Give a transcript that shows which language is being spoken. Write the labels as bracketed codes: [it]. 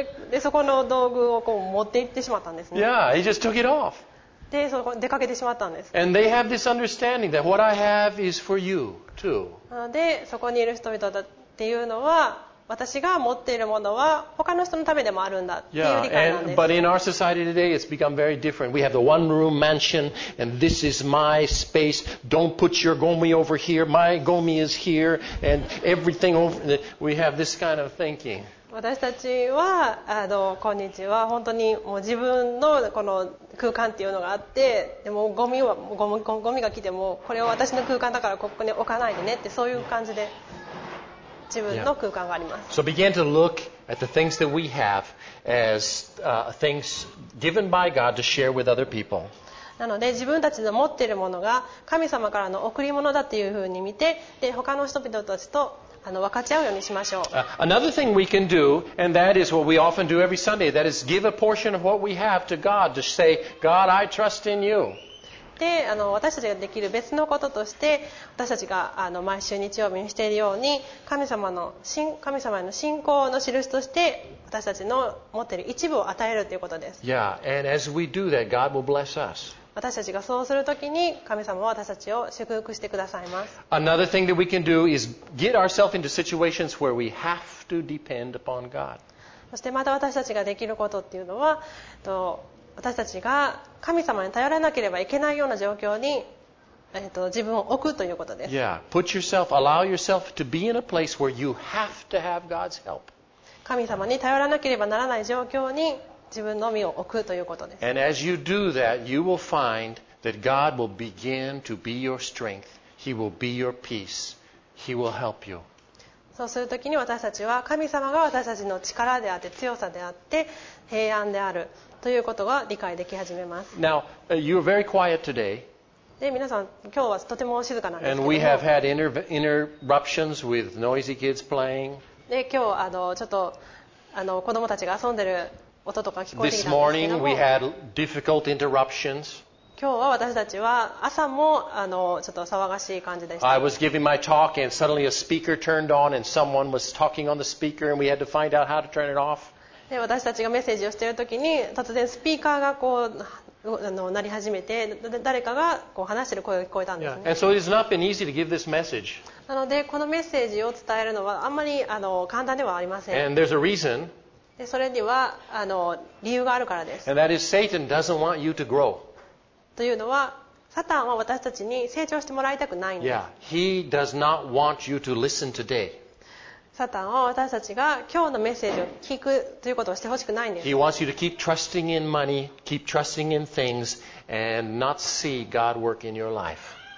[ja] でそこの道具をこう持って行ってしまったんですね [en] Yeah, he just took it off [ja] でそこ出かけてしまったんです [en] And they have this understanding that what I have is for you too [ja] でそこにいる人々だっていうのは私が持っているものは他の人のためでもあるんだっていう理解なんです。 [en] Yeah, and, but in our society today, it's become very different. We have the one-room mansion, and this is my space. Don't put your gomi over here. My gomi is here, and everything over. We have this kind of thinking. [ja] 私たちは今日は本当にもう自分のこの空間っていうのがあって、でもゴミが来てもこれは私の空間だからここに置かないでねってそういう感じで。自分の空間があります。 [en] Yeah. So begin to look at the things that we have as things given by God to share with other people. [ja] なので自分たちの持っているものが神様からの贈り物だというふうに見て、で他の人々たちと分かち合うようにしましょう。 [en] Another thing we can do, and that is what we often do every Sunday, that is give a portion of what we have to God to say, God, I trust in you. [ja] で私たちができる別のこととして私たちが毎週日曜日にしているように神様への信仰の印として私たちの持っている一部を与えるということです [en] Yeah, and as we do that, God will bless us. [ja] 私たちがそうするときに神様は私たちを祝福してくださいます [en] Another thing that we can do is get ourselves into situations where we have to depend upon God. [ja] そしてまた私たちができることっていうのは私たちが神様に頼らなければいけないような状況に、自分を置くということです。 [en] Yeah, put yourself, allow yourself to be in a place where you have to have God's help. [ja] 神様に頼らなければならない状況に自分の身を置くということです。 [en] And as you do that, you will find that God will begin to be your strength. He will be your peace. He will help you. [ja] そうするときに私たちは神様が私たちの力であって強さであって平安であるということが理解でき始めます。 [en] Now, you're very quiet today. [ja] で、皆さん、今日はとても静かなんですけども。 [en] And we have had interruptions with noisy kids playing. [ja] で、今日ちょっと子供たちが遊んでる音とか聞こえてきたんですけども。 [en] This morning we had difficult interruptions. [ja] 今日は私たちは朝もちょっと騒がしい感じでした。 [en] I was giving my talk and suddenly a speaker turned on and someone was talking on the speaker and we had to find out how to turn it off. [ja] で私たちがメッセージをしているときに突然スピーカーがこう鳴り始めて誰かがこう話している声が聞こえたんですね。 [en] Yeah. And so it has not been easy to give this message. [ja] なのでこのメッセージを伝えるのはあんまり簡単ではありません。 [en] And there's a reason. [ja] でそれには理由があるからです。 [en] And that is Satan doesn't want you to grow. [ja] というのはサタンは私たちに成長してもらいたくないんです。 [en] Yeah, he does not want you to listen today. [ja] サタンは私たちが今日のメッセージを聞くということをしてほしくないんです。 [en] He wants you to keep trusting in money, keep trusting in things, and not see God work in your life.